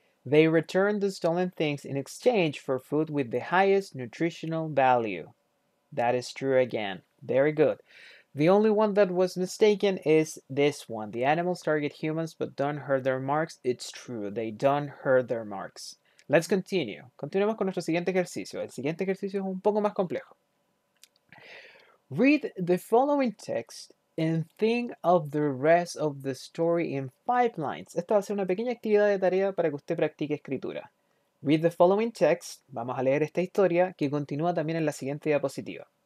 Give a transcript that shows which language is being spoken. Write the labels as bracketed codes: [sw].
[en] They return the stolen things in exchange for food with the highest nutritional value. That is true again. Very good. The only one that was mistaken is this one. The animals target humans but don't hurt their marks. It's true. They don't hurt their marks. Let's continue. [es] Continuemos con nuestro siguiente ejercicio. El siguiente ejercicio es un poco más complejo. [en] Read the following text and think of the rest of the story in five lines. [es] Esta va a ser una pequeña actividad de tarea para que usted practique escritura. [en] Read the following text. [es] Vamos a leer esta historia que continúa también en la siguiente diapositiva.